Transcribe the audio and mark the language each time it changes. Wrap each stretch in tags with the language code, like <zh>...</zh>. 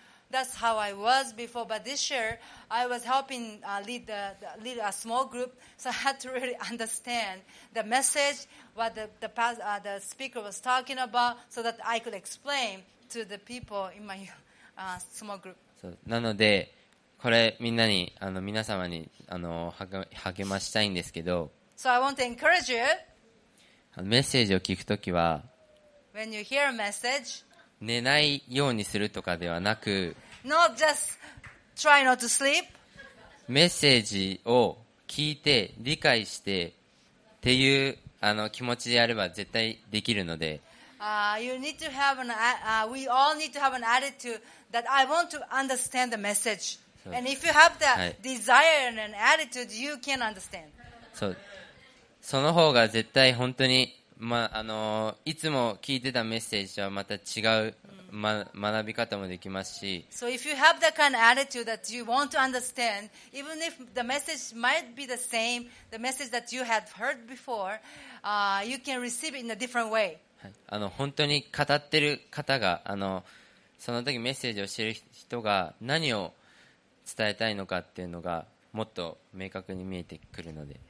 <en>That's how I was before, but this year I was helping lead a small group, so I had to really understand the messageWhat the speaker was talking about, so that I could explain to the people in my small group. So,</en> <ja>なのでこれみんなに皆様に励ましたいんですけど。</ja> <en>So I want to encourage you.</en> <ja>メッセージを聞くときは、</ja> <en>When you hear a message,</en> <ja>寝ないようにするとかではなく、</ja> <en>Not just try not to sleep.</en> <ja>メッセージを聞いて理解してっていう。気持ちでやれば絶対できるので。</ja> <en>We all need to have an attitude that I want to understand the message. And if you have that desire and an attitude, you can understand.</en> <ja>そう。その方が絶対本当に、いつも聞いてたメッセージとはまた違う、学び方もできますし。</ja> <en>So if you have that kind of attitude that you want to understand, even if the message might be the same, the message that you had heard before, you can receive it in a different way.</en> <ja>本当に語ってる方が、その時メッセージをしている人が何を伝えたいのかっていうのがもっと明確に見えてくるので。</ja>